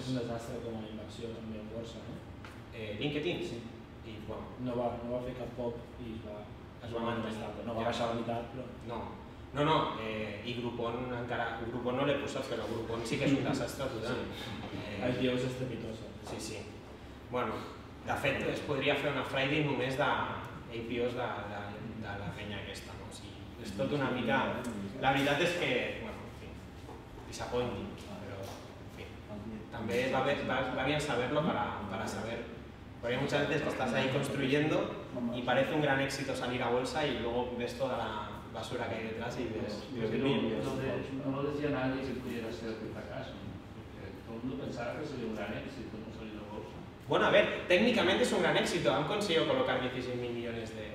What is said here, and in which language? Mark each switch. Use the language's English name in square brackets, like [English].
[Spanish] Es un desastre como inversión también en bolsa, ¿no? LinkedIn, sí. Y bueno. No va a ficar pop y va a estar, no va a bajar la mitad, pero. No. No, no, y Groupon no le puso, pero Groupon sí que es un desastre total. El tío es estrepitoso. Sí, sí. [Catalan] Bueno, de fet, es podria fer una Friday només de APIs de la penya aquesta, no? O sigui, és tot una mica... La veritat és que, bueno, en fi, disappointing, però, en fi, també va [Spanish] bien [Catalan] saber-lo [Spanish] para saber. Porque hay muchas veces que estás ahí construyendo y parece un gran éxito salir a bolsa y luego ves toda la basura que hay detrás y ves. No decía nadie que pudiera ser un fracaso, porque todo el mundo pensaba que sería un gran éxito, no salir a bolsa. Bueno, a ver, técnicamente es un gran éxito, han conseguido colocar 16.000 millones de.